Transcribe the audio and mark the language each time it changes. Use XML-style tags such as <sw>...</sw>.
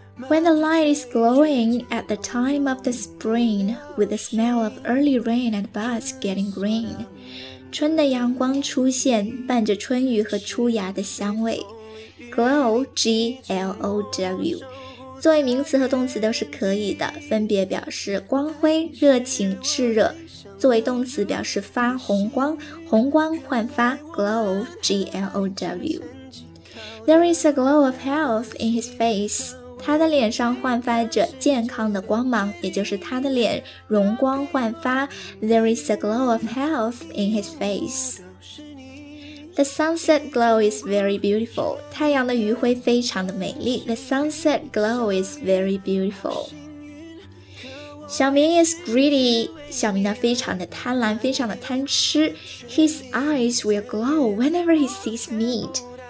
<en>When the light is glowing at the time of the spring, with the smell of early rain and buds getting green,</en> <zh>春的阳光出现，伴着春雨和初芽的香味。</zh> <en>Glow, G-L-O-W,</en> <zh>作为名词和动词都是可以的，分别表示光辉、热情、炽热。作为动词表示发红光，红光焕发 glow, G-L-O-W.</zh> <en>There is a glow of health in his face.</en> <zh>他的脸上焕发着健康的光芒，也就是他的脸容光焕发。</zh> <en>There is a glow of health in his face. The sunset glow is very beautiful.</en> <zh>太阳的余晖非常的美丽。</zh> <en>The sunset glow is very beautiful. 小明 is greedy.</en> <zh>小明呢非常的贪婪，非常的贪吃。</zh> <en>His eyes will glow whenever he sees meat.</en>